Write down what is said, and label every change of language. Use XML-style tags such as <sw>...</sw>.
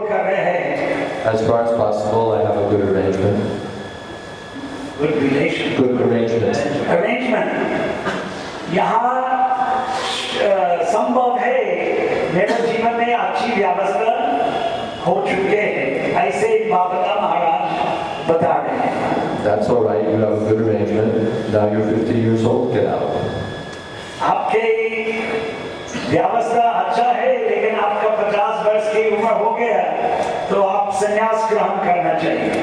<en>As far as possible, I have a good arrangement. Good relation. Good arrangement. Arrangement.</en> <hi>यहाँ संभव है मेरे जीवन में अच्छी व्यवस्था हो चुके हैं ऐसे बाबा महाराज बता रहे हैं.</hi> <en>That's all right, you have a good arrangement. Now you're 50 years old, get out.</en> <hi>आपके व्यवस्था अच्छा है लेकिन आपका 50 वर्ष की उम्र हो गया तो आप संन्यास ग्रहण करना चाहिए.</hi>